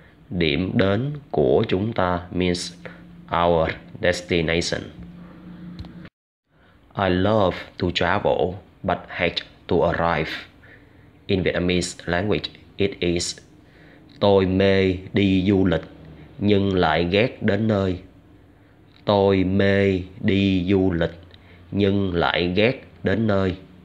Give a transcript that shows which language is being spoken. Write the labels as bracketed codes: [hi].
[vi] Điểm đến của chúng ta [en] means our destination. I love to travel but hate to arrive. In Vietnamese language, it is [vi] tôi mê đi du lịch nhưng lại ghét đến nơi. Tôi mê đi du lịch nhưng lại ghét đến nơi.